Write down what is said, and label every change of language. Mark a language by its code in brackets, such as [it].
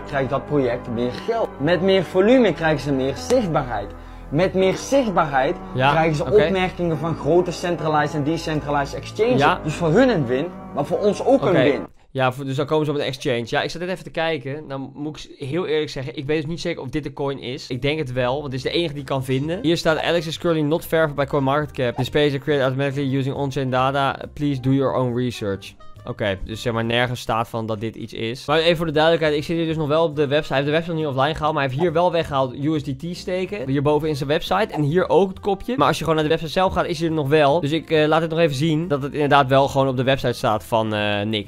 [nl] Krijgt dat project meer geld. Met meer volume krijgen ze meer zichtbaarheid. Met meer zichtbaarheid krijgen ze opmerkingen van grote centralized en decentralized exchanges. Ja. Dus voor hun een win, maar voor ons ook een win. Ja, dus dan komen ze op een exchange. Ja, ik zat net even te kijken. Dan moet ik heel eerlijk zeggen, ik weet dus niet zeker of dit de coin is. Ik denk het wel, want dit is de enige die ik kan vinden. [en] Hier staat, Alex is currently not verified by CoinMarketCap. This page is created automatically using on-chain data. Please do your own research. [nl] Oké, dus zeg maar nergens staat van dat dit iets is. Maar even voor de duidelijkheid, ik zit hier dus nog wel op de website. Hij heeft de website niet offline gehaald, maar hij heeft hier wel weggehaald USDT steken. Hierboven in zijn website en hier ook het kopje. Maar als je gewoon naar de website zelf gaat, is hij er nog wel. Dus ik laat het nog even zien dat het inderdaad wel gewoon op de website staat van Nick.